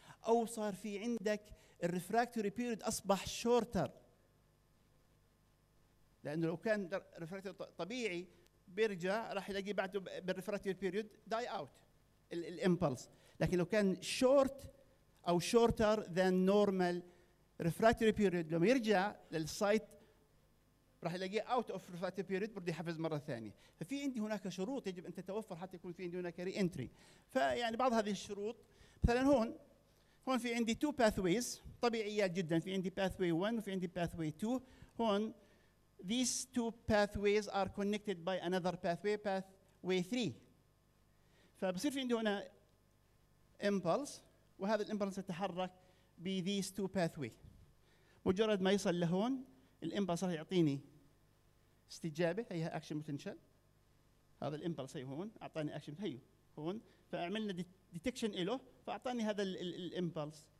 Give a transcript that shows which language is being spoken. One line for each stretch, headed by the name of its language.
Arabic: أو صار في عندك refractory period أصبح shorter، لانه لو كان ريفراكت طبيعي بيرجع راح يلاقي بعده بالريفراكت بيريود داي اوت الامبلس، لكن لو كان شورت او شورتر ذان نورمال ريفراكت بيريود لما يرجع للسايت راح يلاقي اوت اوف ريفراكت بيريود برضه يحفز مره ثانيه. ففي عندي هناك شروط يجب ان تتوفر حتى يكون في عندي هناك ري انتري. فيعني بعض هذه الشروط مثلا هون في عندي تو باثويز طبيعيات جدا، في عندي باثوي 1 وفي عندي باثوي 2. هون
English: these two pathways are connected by another pathway, pathway 3.
Arabic: فبصير في عنده هنا impulse وهذا الimpulse يتحرك ب
English: these two pathways.
Arabic: مجرد ما يصل لهون الimpulse راح يعطيني استجابة، هيها action potential. هذا الimpulse هي هون أعطاني action، هي هون فعملنا detection إله فأعطاني هذا الimpulse.